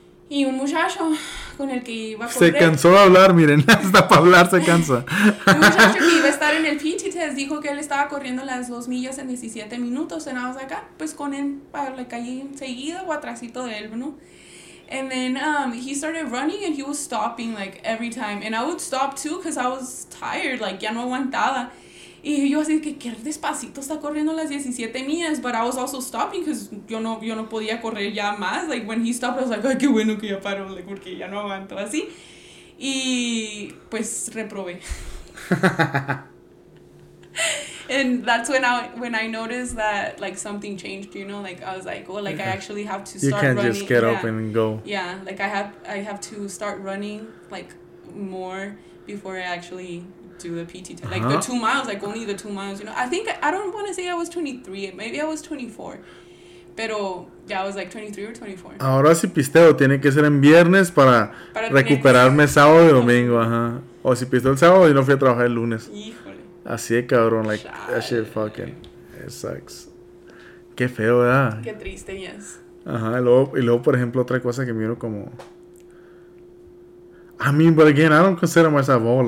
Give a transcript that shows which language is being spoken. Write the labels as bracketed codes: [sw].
[es] Y un muchacho con el que iba a correr... Se cansó de hablar, miren, hasta para hablar se cansa. Un muchacho que iba a estar en el PT test dijo que él estaba corriendo las 2 millas en 17 minutos. Y nada más acá, pues con él, para la calle enseguida o atrasito de él, ¿no? [en] And then he started running and he was stopping, like, every time. And I would stop too because I was tired, like, [es] ya no aguantaba. Y yo así, que qué despacito está corriendo las 17 millas, [en] but I was also stopping because [es] yo no podía correr ya más. [en] Like, when he stopped, I was like, [es] ay, qué bueno que ya paro, like, porque ya no aguanto así. Y pues reprobé. [en] And that's when I noticed that, like, something changed, you know? Like, I was like, oh, like, yeah. I actually have to start running. You can't Just get yeah. up and go. Yeah, like, I have to start running, like, more before I actually... do the PT test, like, uh-huh. the 2 miles, you know, I think, I don't want to say I was 23, maybe I was 24, pero, yeah, I was, like, 23 or 24. [es] Ahora si pisteo, tiene que ser en viernes para recuperarme tener... sábado y domingo, ajá, o si pisteo el sábado y no fui a trabajar el lunes. Híjole. Así de cabrón, like, Chale. [en] That shit fucking, it sucks. [es] Qué feo, ¿verdad? Qué triste, yes. Ajá, y luego, por ejemplo, otra cosa que miro como... [en] I mean, but again, I don't consider myself old.